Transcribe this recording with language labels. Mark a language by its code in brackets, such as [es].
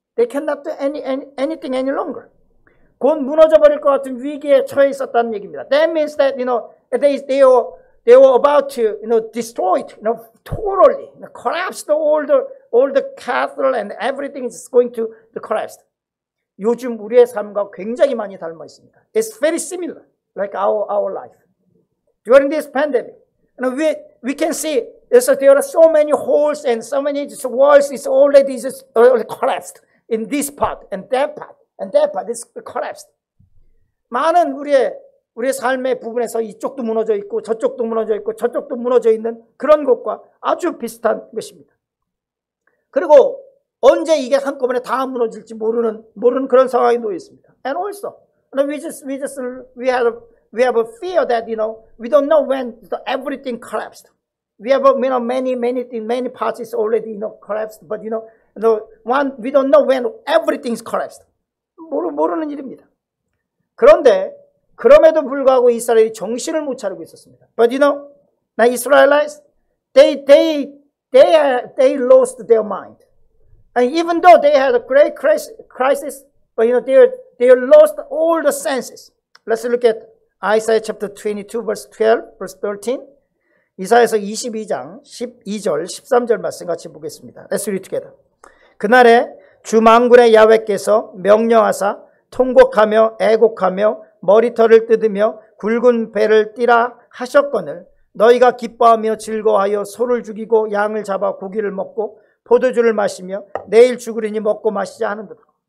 [en] They cannot do anything any longer. [ko] 곧 무너져 버릴 것 같은 위기에 처해 있었다는 얘기입니다. [en] That means that, you know, they were about to, you know, destroy it, you know, totally, you know, collapse all the cathedral and everything is going to the collapse. [ko] 요즘 우리의 삶과 굉장히 많이 닮아 있습니다. [en] It's very similar, like our life. During this pandemic, you know, we can see there are so many holes and so many walls is already collapsed in this part and that part and that part is collapsed. [ko] 많은 우리의 삶의 부분에서 이쪽도 무너져 있고 저쪽도 무너져 있고 저쪽도 무너져 있는 그런 것과 아주 비슷한 것입니다. 그리고 언제 이게 한꺼번에 다 무너질지 모르는 그런 상황이 놓여 있습니다. [en] And also, we have a fear that you know we don't know when everything collapsed. We have many parts is already you know collapsed, but you know one we don't know when everything's collapsed. [ko] 모르는 일입니다. 그런데 그럼에도 불구하고 이스라엘이 정신을 못 차리고 있었습니다. [en] But you know, the Israelites, they lost their mind. And even though they had a great crisis, but you know, they lost all the senses. Let's look at Isaiah chapter 22, verse 12, verse 13. [ko] 이사야서 22장 12절, 13절 말씀 같이 보겠습니다. [en] Let's read together. [ko] 그날에 주 만군의 야훼께서 명령하사 통곡하며 애곡하며 머리털을 뜯으며 굵은 배를 띠라 하셨거늘 너희가 기뻐하며 즐거워하여 소를 죽이고 양을 잡아 고기를 먹고 포도주를 마시며 내일 죽으리니 먹고 마시자 하는도다.